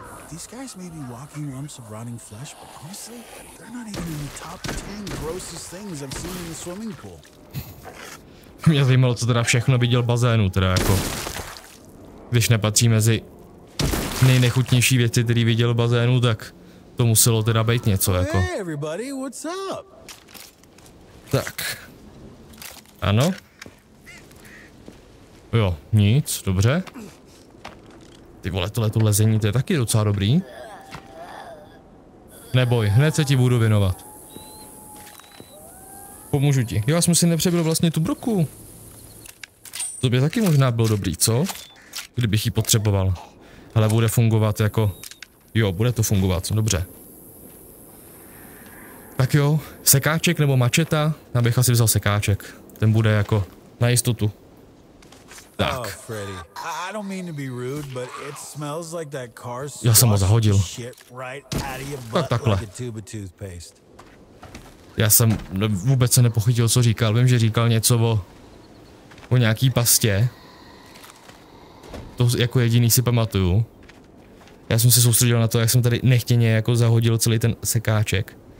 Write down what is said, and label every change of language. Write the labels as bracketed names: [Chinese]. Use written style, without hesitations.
[English] These guys may be walking lumps of rotting flesh, but honestly, they're not even in the top 10 grossest things I've seen in the swimming pool. [Czech] Mě zajímalo, co teda všechno viděl bazénu, teda jako, když nepatří mezi nejnechutnější věci, které viděl bazénu, tak to muselo teda být něco jako. [English] Hey everybody, what's up? [Czech] Tak. Ano. Jo, nic, dobře. Ty vole, tohle to lezení, to je taky docela dobrý. Neboj, hned se ti budu věnovat. Pomůžu ti. Jo, já jsem si nepřebil vlastně tu broku. To by taky možná byl dobrý, co? Kdybych ji potřeboval. Ale bude fungovat jako... Jo, bude to fungovat, dobře. Tak jo, sekáček nebo mačeta? Já bych asi vzal sekáček. Ten bude jako na jistotu. Tak. [English] Oh, Freddy. I don't mean to be rude, but it smells like that car. [Czech] Já jsem ho zahodil. [English] Right out of your butt, [Czech] tak takhle. [English] Like a tube of toothpaste. [Czech] Já jsem vůbec se nepochytil, co říkal. Vím, že říkal něco o nějaký pastě. To jako jediný si pamatuju. Já jsem se soustředil na to, jak jsem tady nechtěně jako zahodil celý ten sekáček.